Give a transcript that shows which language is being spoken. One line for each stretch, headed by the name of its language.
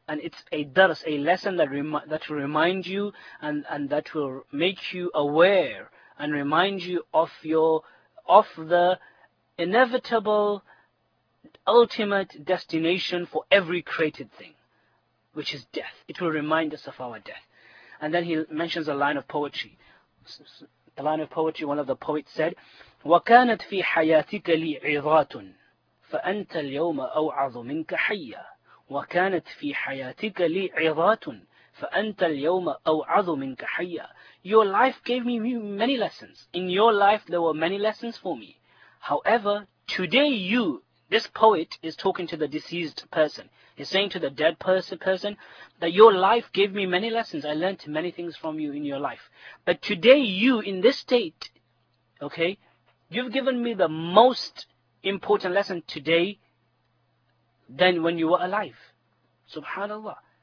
English: And it's a dars, a lesson that will remind you and that will make you aware and remind you of the inevitable ultimate destination for every created thing, which is death. It will remind us of our death. And then he mentions a line of poetry. The line of poetry, one of the poets said,
Arabic: وَكَانَتْ فِي حَيَاتِكَ لِي عِظَاتٌ فَأَنْتَ الْيَوْمَ أَوْعَظُ مِنْكَ حَيَّا وَكَانَتْ فِي حَيَاتِكَ لِي عِظَاتٌ فَأَنْتَ الْيَوْمَ أَوْعَظُ مِنْكَ حَيَّا.
English: Your life gave me many lessons. In your life, there were many lessons for me. However, today you, this poet is talking to the deceased person. He's saying to the dead person that your life gave me many lessons. I learned many things from you in your life. But today you, in this state, okay, you've given me the most important lesson today than when you were alive. SubhanAllah.